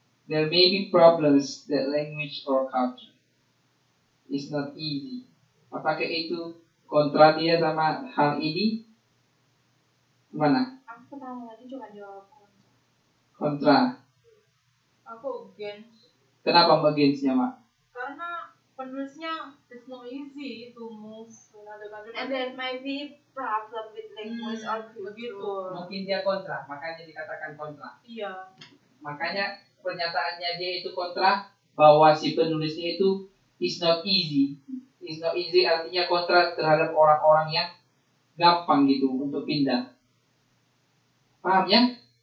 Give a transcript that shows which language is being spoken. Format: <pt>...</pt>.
<en>There may be problems that language or culture. It's not easy.</en> <id>Apakah itu kontra dia sama hal ini? Gimana? Aku tahu lagi cuma jawab kontra. Aku</id> <en>against.</en> <id>Kenapa against-nya, Mak? Karena penulisnya</id> <en>it's not easy to move to another country. And there might be problem with language or culture.</en> <id>Mungkin dia kontra, makanya dikatakan kontra. Iya. Makanya pernyataannya dia itu kontra, bahwa si penulisnya itu</id> <en>is not easy. Is not easy</en> <id>artinya kontra terhadap orang-orang yang gampang gitu untuk pindah. Paham ya?</id>